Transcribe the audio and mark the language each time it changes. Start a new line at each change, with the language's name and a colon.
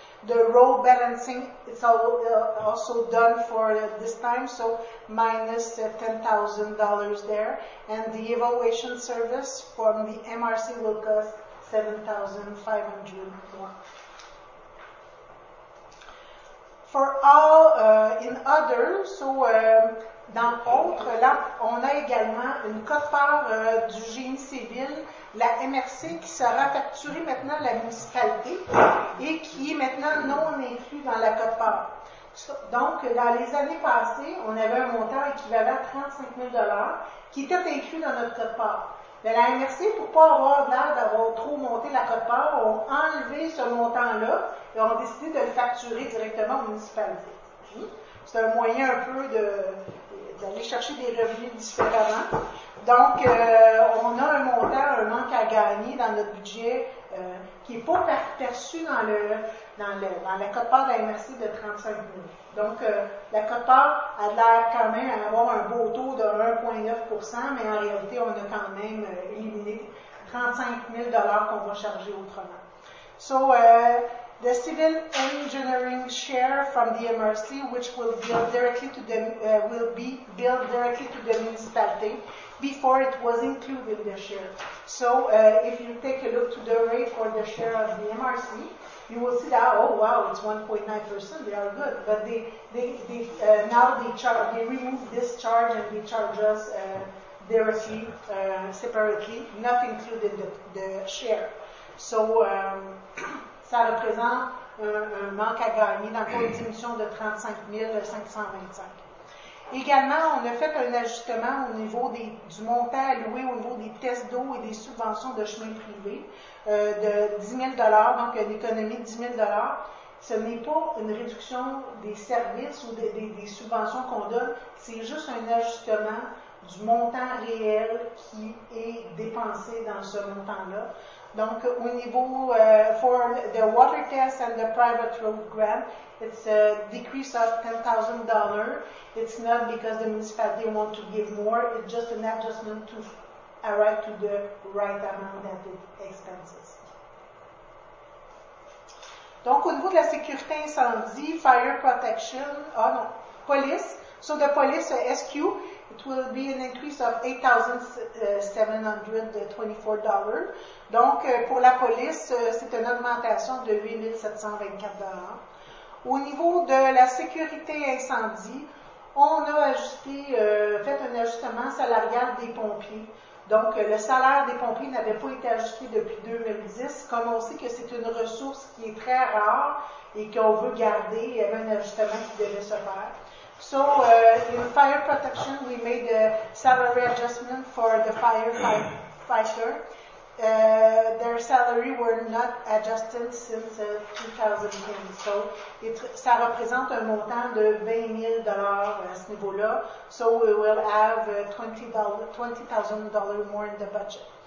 English: The role balancing is also done for this time, so minus $10,000 there. And the evaluation service from the MRC will cost $7,500 more. For all in other, so
French: dans autres, là, on a également une quote-part du génie civil, la MRC, qui sera facturée maintenant à la municipalité et qui est maintenant non inclus dans la quote-part. Donc, dans les années passées, on avait un montant équivalent à 35 000 $ qui était inclus dans notre quote-part. Mais la MRC, pour ne pas avoir l'air d'avoir trop monté la quote-part, ont enlevé ce montant-là et ont décidé de le facturer directement aux municipalités. C'est un moyen un peu d'aller chercher des revenus différemment. Donc, on a un montant, un manque à gagner dans notre budget qui n'est pas perçu dans la quote-part de la MRC de 35 000. Donc, la quote-part a l'air quand même d'avoir un beau taux de 1,9%, mais en réalité, on a quand même éliminé 35 000 $ qu'on va charger autrement.
English: So, the civil engineering share from the MRC, which will bill directly to the will be billed directly to the municipality. Before it was included the share. So, if you take a look to the rate for the share of the MRC, you will see that, oh wow, it's 1.9%, they are good. But they remove this charge and they charge us directly, separately, not included the share.
French: So, ça représente un manque à gagner dans une diminution de 35 525. Également, on a fait un ajustement au niveau du montant alloué au niveau des tests d'eau et des subventions de chemin privé de 10 000 $, donc une économie de 10 000 $. Ce n'est pas une réduction des services ou des subventions qu'on donne, c'est juste un ajustement du montant réel qui est dépensé dans ce montant-là. Donc, au niveau
English: for the water test and the private road grant, it's a decrease of $10,000. It's not because the municipality want to give more. It's just an adjustment to arrive to the right amount of the expenses.
French: Donc, au niveau de la sécurité incendie,
English: fire protection,
French: police.
English: So the police SQ, it will be an increase of $8,724.
French: Donc, pour la police, c'est une augmentation de $8,724. Au niveau de la sécurité incendie, on a fait un ajustement salarial des pompiers. Donc, le salaire des pompiers n'avait pas été ajusté depuis 2010. Comme on sait que c'est une ressource qui est très rare et qu'on veut garder, il y avait un ajustement qui devait se faire.
English: So, in fire protection, we made a salary adjustment for the firefighter. Their salary were not adjusted since 2010.
French: So, ça représente un montant de 20 000 $ à ce niveau-là.
English: So, we will have $20,000 more in the budget.